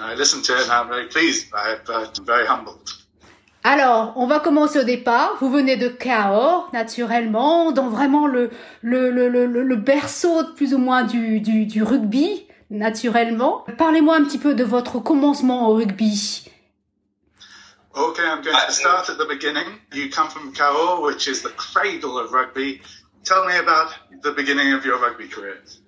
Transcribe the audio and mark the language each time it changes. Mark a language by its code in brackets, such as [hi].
[en] I listen to it and I'm very pleased by it, but I'm very humbled. [fr] Alors, on va commencer au départ. Vous venez de Cahors, naturellement, dans vraiment le berceau plus ou moins du rugby, naturellement. Parlez-moi un petit peu de votre commencement au rugby. [en] Okay, I'm going to start at the beginning. You come from Cahors, which is the cradle of rugby. Tell me about the beginning of your rugby career.